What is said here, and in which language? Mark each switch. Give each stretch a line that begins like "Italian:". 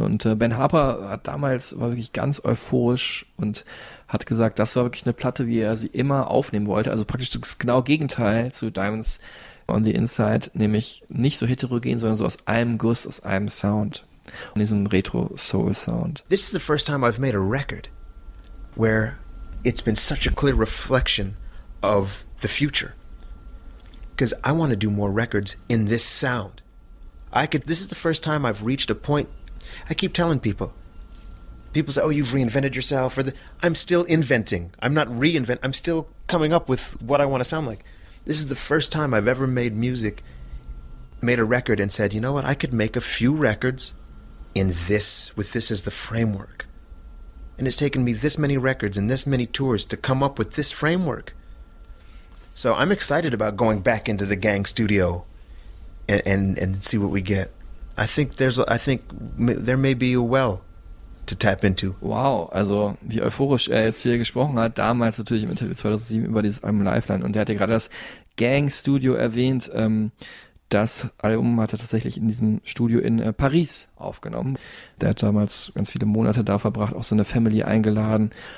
German: Und Ben Harper hat damals, war wirklich ganz euphorisch und hat gesagt, das war wirklich eine Platte, wie er sie immer aufnehmen wollte. Also praktisch das genaue Gegenteil zu Diamonds on the Inside, nämlich nicht so heterogen, sondern so aus einem Guss, aus einem Sound. In diesem retro soul sound.
English: This is the first time I've made a record where it's been such a clear reflection of the future. Because I want to do more records in this sound. This is the first time I've reached a point. I keep telling people. People say, oh, you've reinvented yourself. I'm still inventing. I'm not reinvent. I'm still coming up with what I want to sound like. This is the first time I've ever made music, made a record and said, you know what, I could make a few records in this, with this as the framework. And it's taken me this many records and this many tours to come up with this framework. So I'm excited about going back into the gang studio and see what we get. I think there may be a well to tap into.
German: Wow, also wie euphorisch er jetzt hier gesprochen hat, damals natürlich im Interview 2007 über dieses Album Lifeline. Und er hatte gerade das Gang Studio erwähnt. Das Album hat er tatsächlich in diesem Studio in Paris aufgenommen. Der hat damals ganz viele Monate da verbracht, auch seine Family eingeladen.